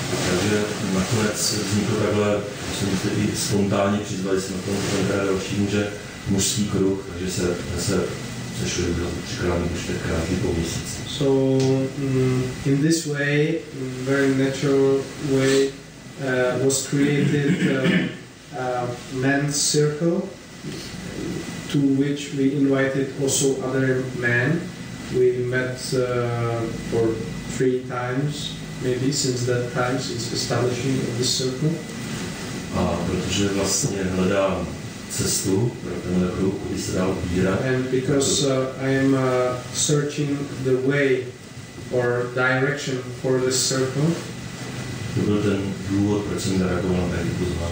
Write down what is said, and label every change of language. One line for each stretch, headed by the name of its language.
Czech: Takže nakonec vzniklo takhle, že jsme i spontánně přizvali se na tom další muže mužský kruh, takže se sešli třikrát nebo čtyřikrát po měsíci.
English: So in this way, in very natural way, was created a men's circle to which we invited also other men. We met for 3 times. Maybe since that time, since establishing of this circle.
Czech: A protože vlastně hledám cestu pro tenhle kruh, kudy se dá ubírat.
English: And because I am searching the way or direction for this circle.
Czech: To byl ten důvod, proč jsem reagoval na tady pozvání.